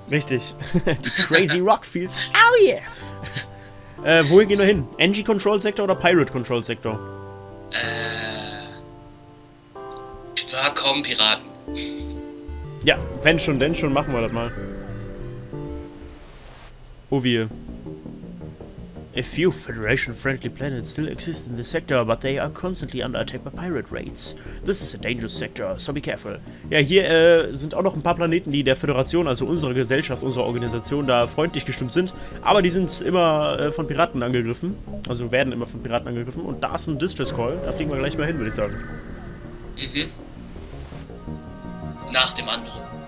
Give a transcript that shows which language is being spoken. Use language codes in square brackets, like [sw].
[de] Richtig. Die crazy Rockfields. [en] Oh yeah! [de] Wohin gehen wir hin? Engine Control Sektor oder Pirate Control Sektor? Da kommen Piraten. Ja, wenn schon, denn schon, machen wir das mal. Oh wir. [en] A few Federation-friendly planets still exist in the sector, but they are constantly under attack by pirate raids. This is a dangerous sector, so be careful. [de] Ja, hier sind auch noch ein paar Planeten, die der Föderation, also unserer Gesellschaft, unserer Organisation, da freundlich gestimmt sind. Aber die sind immer von Piraten angegriffen. Also werden immer von Piraten angegriffen. Und da ist ein Distress-Call. Da fliegen wir gleich mal hin, würde ich sagen. Mhm. Nach dem anderen.